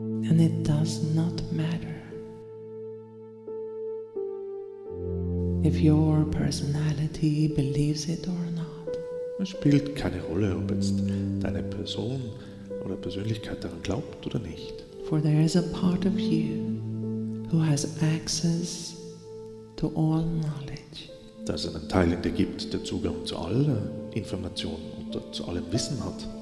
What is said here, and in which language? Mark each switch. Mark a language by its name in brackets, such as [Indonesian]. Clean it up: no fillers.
[English] And it does not matter if your personality believes it or not. [German] Es spielt keine Rolle, ob jetzt deine Person oder Persönlichkeit daran glaubt oder nicht. [English] For there is a part of you who has access to all knowledge. [German] Dass es einen Teil in dir gibt, der Zugang zu aller Information und zu allem Wissen hat.